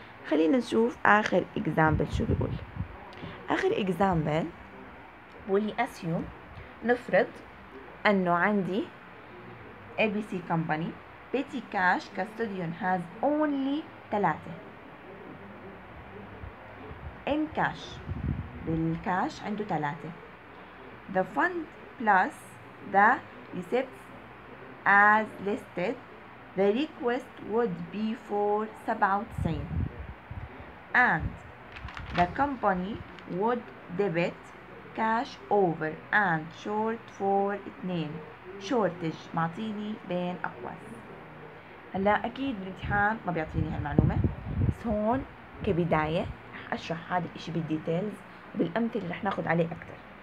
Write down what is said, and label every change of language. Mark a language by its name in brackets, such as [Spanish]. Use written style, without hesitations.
[Arabic] خلينا نشوف اخر اكزامبل شو بيقول. اخر اكزامبل [English] بولي اسيوم، [Arabic] نفرض انه عندي [English] ABC Company petty cash custodian has only 3 in cash. [Arabic] بالكاش عنده 3. [English] The fund plus the receipts as listed the request would be for 97 and the company would debit cash over and short for 2 shortage. [Arabic] معطيني بين أقواس. هلا أكيد بالامتحان ما بيعطيني هالمعلومة، بس هون كبداية أشرح هذا الإشي بالديتيلز وبالأمثلة اللي رح ناخد عليه أكتر.